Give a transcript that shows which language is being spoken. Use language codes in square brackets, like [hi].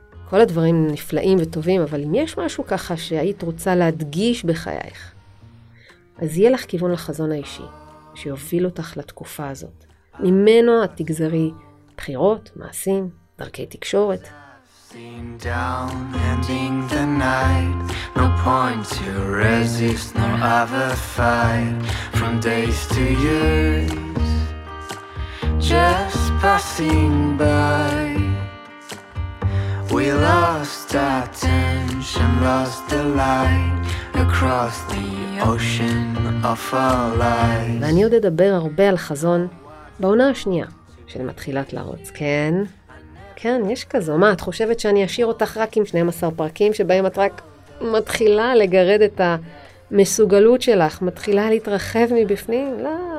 [he] כל הדברים נפלאים וטובים, אבל אם יש משהו ככה שהיית רוצה להדגיש בחייך, אז יהיה לך כיוון לחזון האישי, שיוביל אותך לתקופה הזאת. ממנו את תגזרי בחירות, מעשים, דרכי תקשורת. [en] Down, ending the night. No point to resist, nor have a fight. From days to years, just passing by. We lost attention, lost the light. Across the ocean of our lives. [he] ואני עוד אדבר הרבה על חזון בעונה השנייה של מתחילת לרוץ, כן? כן, יש כזו. מה, את חושבת שאני אשאיר אותך רק עם 12 פרקים שבהם את רק מתחילה לגרד את המסוגלות שלך, מתחילה להתרחב מבפנים? לא.